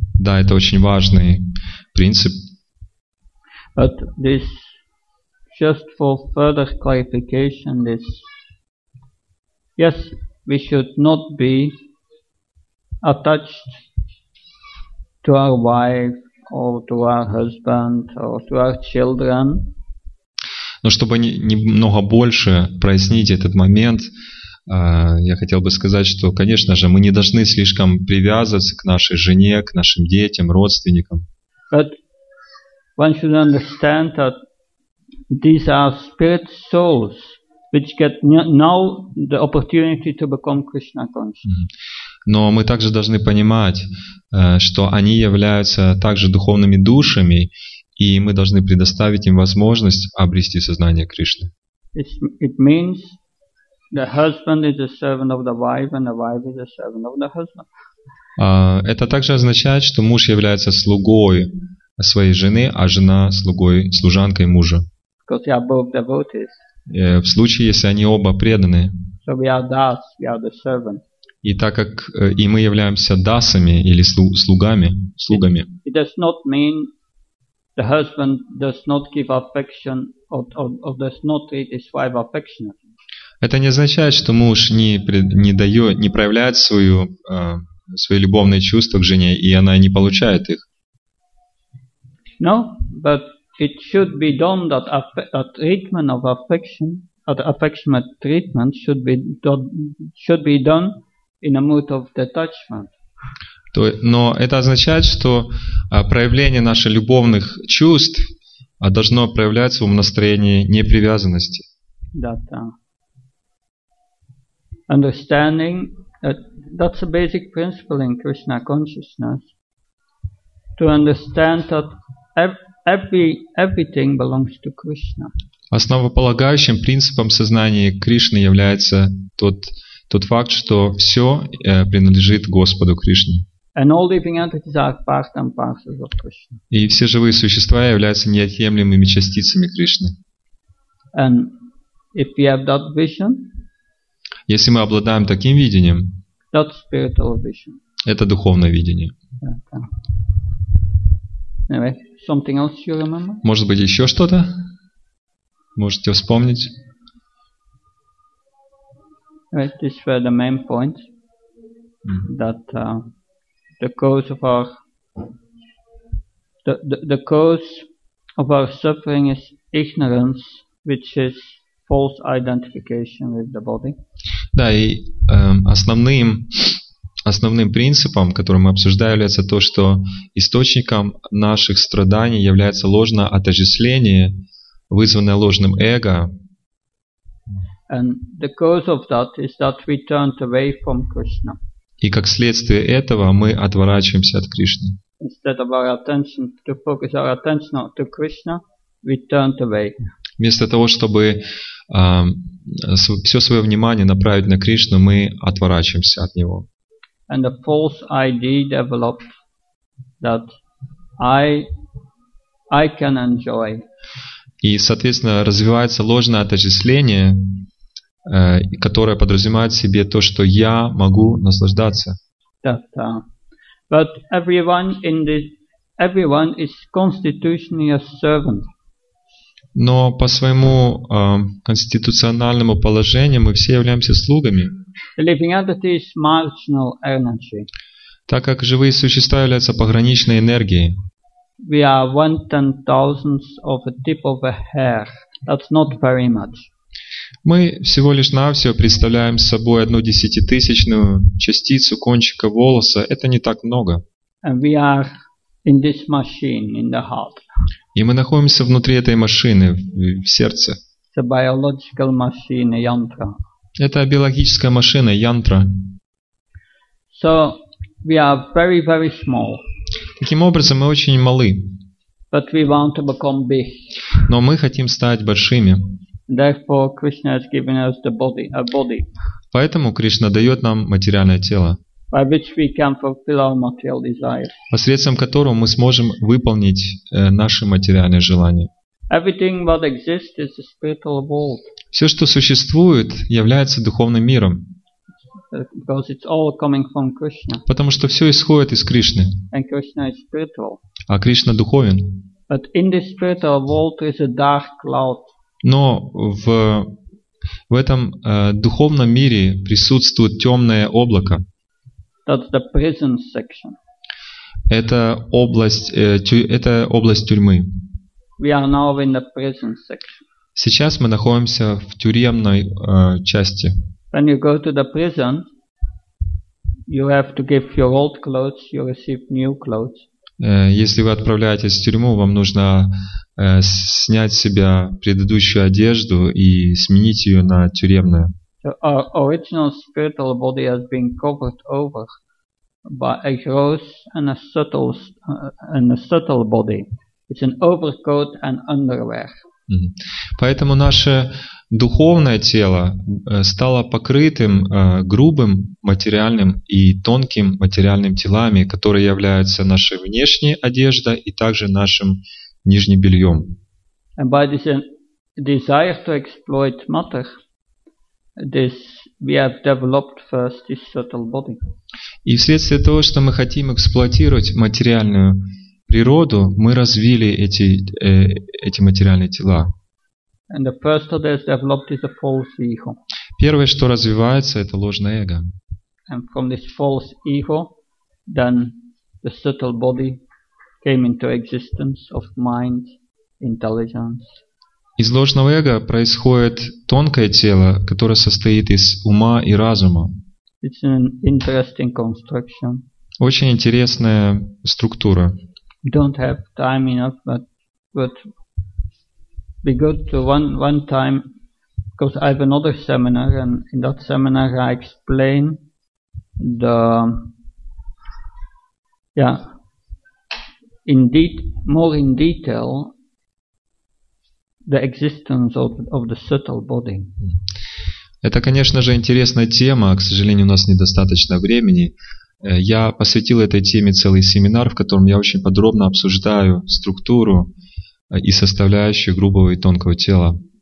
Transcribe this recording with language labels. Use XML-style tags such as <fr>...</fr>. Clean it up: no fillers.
<ru>Да, это очень важный принцип.</ru> <en>But this, just for further clarification, this, yes, we should not be attached to our wife or to our husband or to our children.</en> <ru>Но чтобы немного больше прояснить этот момент, я хотел бы сказать, что, конечно же, мы не должны слишком привязываться к нашей жене, к нашим детям, родственникам.</ru> <en>But one should understand that these are spirit souls, which get now the opportunity to become Krishna conscious.</en> <ru>Но мы также должны понимать, что они являются также духовными душами, и мы должны предоставить им возможность обрести сознание Кришны.</ru> <en>It means the husband is a servant of the wife, and the wife is a servant of the husband.</en> <ru>Это также означает, что муж является слугой своей жены, а жена слугой, служанкой мужа.</ru> <en>Because they are both devotees.</en> <ru>В случае, если они оба преданы.</ru> <en>So we are das, we are the servant.</en> <ru>И так как и мы являемся дасами или слугами.</ru> <en>It does not mean the husband does not give affection or does not treat his wife affectionately.</en> <ru>Это не означает, что муж не проявляет свои любовные чувства к жене, и она не получает их.</ru> <en>No, but it should be done that a treatment of affection, affectionate treatment should be done in a mood of detachment.</en> <ru>Но это означает, что проявление наших любовных чувств должно проявляться в настроении непривязанности.</ru> <en>Understanding that's a basic principle in Krishna consciousness. To understand that everything belongs to Krishna.</en> <ru>Основополагающим принципом сознания Кришны является тот факт, что все принадлежит Господу Кришне.</ru> <en>And all living entities are part and parcels of Krishna.</en> <ru>И все живые существа являются неотъемлемыми частицами Кришны.</ru> <en>And if we have that vision.</en> <ru>Если мы обладаем таким видением,</ru> <en>that's spiritual vision.</en> <ru>Это духовное видение.</ru> <en>Okay. Anyway, something else you remember?</en> <ru>Может быть, еще что-то? Можете вспомнить?</ru> <en>Anyway, these were the main points. That the cause of our suffering is ignorance, which is false identification with the body.</en> <ru>Да, и основным принципом, который мы обсуждали, является то, что источником наших страданий является ложное отождествление, вызванное ложным эго.</ru> <en>And the cause of that is that we turned away from Krishna.</en> <ru>И как следствие этого мы отворачиваемся от Кришны.</ru> <en>Instead of our attention to focus our attention to Krishna, we turned away.</en> <ru>Вместо того, чтобы все свое внимание направить на Кришну, мы отворачиваемся от Него.</ru> <en>And a false idea developed that I can enjoy.</en> <ru>И, соответственно, развивается ложное отождествление, которое подразумевает в себе то, что я могу наслаждаться.</ru> <en>That, but everyone in this, everyone is constitutionally a servant.</en> <ru>Но по своему конституциональному положению мы все являемся слугами.</ru> <en>Living entity is marginal energy.</en> <ru>Так как живые существа являются пограничной энергией.</ru> <en>We are one ten thousandth of a tip of a hair. That's not very much.</en> <ru>Мы всего лишь навсего представляем собой одну десятитысячную частицу кончика волоса. Это не так много.</ru> <en>And we are in this machine, in the heart.</en> <ru>И мы находимся внутри этой машины, в сердце.</ru> <en>It's a biological machine, yantra.</en> <ru>Это биологическая машина, янтра.</ru> <en>So we are very, very small.</en> <ru>Таким образом, мы очень малы.</ru> <en>But we want to become big.</en> <ru>Но мы хотим стать большими.</ru> <en>Therefore, Krishna has given us the body, a body.</en> <ru>Поэтому Кришна дает нам материальное тело.</ru> <en>By which we can fulfill our material desires.</en> <ru>Посредством которого мы сможем выполнить наши материальные желания.</ru> <en>Everything what exists is a spiritual world.</en> <ru>Все, что существует, является духовным миром.</ru> <en>Because it's all coming from Krishna.</en> <ru>Потому что все исходит из Кришны.</ru> <en>And Krishna is spiritual.</en> <ru>А Кришна духовен.</ru> <en>But in this spiritual world is a dark cloud.</en> <ru>Но в этом духовном мире присутствует темное облако.</ru> <en>That's the prison section.</en> <ru>Это область тюрьмы.</ru> <en>We are now in the prison section.</en> <ru>Сейчас мы находимся в тюремной части.</ru> <en>When you go to the prison, you have to give your old clothes, you receive new clothes.</en> <ru>Если вы отправляетесь в тюрьму, вам нужно снять с себя предыдущую одежду и сменить ее на тюремную.</ru> <en>So our original spiritual body has been covered over by a gross and a subtle body. It's an overcoat and underwear.</en> <ru>Поэтому наше духовное тело стало покрытым грубым материальным и тонким материальным телами, которые являются нашей внешней одеждой и также нашим нижним бельем.</ru> <en>And by this desire to exploit matter, this we have developed first this subtle body.</en> <ru>И вследствие того, что мы хотим эксплуатировать материальную природу, мы развили эти материальные тела.</ru> <en>And the first that is developed is a false ego.</en> <ru>Первое, что развивается, это ложное эго.</ru> <en>And from this false ego, then the subtle body came into existence of mind, intelligence.</en> <ru>Из ложного эго происходит тонкое тело, которое состоит из ума и разума.</ru> <en>It's an interesting construction.</en> <ru>Очень интересная структура.</ru> <en>Don't have time enough, but be good to one time, because I have another seminar, and in that seminar I explain more in detail the existence of the subtle body.</en> <ru>Это, конечно же, интересная тема. К сожалению, у нас недостаточно времени. Я посвятил этой теме целый семинар, в котором я очень подробно обсуждаю структуру и составляющие грубого и тонкого тела.</ru>